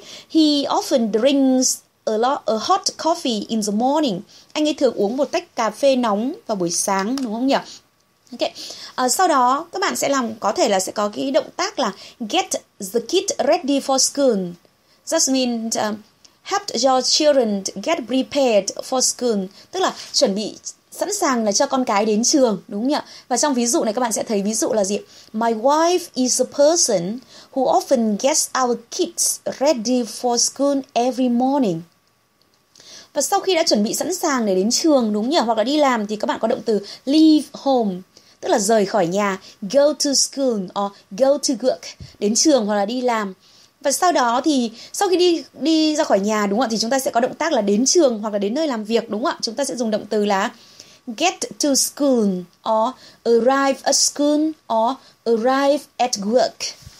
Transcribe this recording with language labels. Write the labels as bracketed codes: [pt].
[en] He often drinks a lot a hot coffee in the morning. [vi] Anh ấy thường uống một tách cà phê nóng vào buổi sáng, đúng không nhỉ? Ok. Sau đó các bạn sẽ làm, có thể là sẽ có cái động tác là [en] get the kids ready for school. Just mean help your children get prepared for school, [vi] tức là chuẩn bị sẵn sàng là cho con cái đến trường, đúng không nhỉ? Và trong ví dụ này các bạn sẽ thấy ví dụ là gì? [en] My wife is a person who often gets our kids ready for school every morning. [vi] Và sau khi đã chuẩn bị sẵn sàng để đến trường, đúng không nhỉ? Hoặc là đi làm thì các bạn có động từ leave home, tức là rời khỏi nhà, [en] go to school or go to work, [vi] đến trường hoặc là đi làm. Và sau đó thì sau khi đi ra khỏi nhà, đúng không ạ, thì chúng ta sẽ có động tác là đến trường hoặc là đến nơi làm việc, đúng không ạ? Chúng ta sẽ dùng động từ là [en] get to school or arrive at school or arrive at work.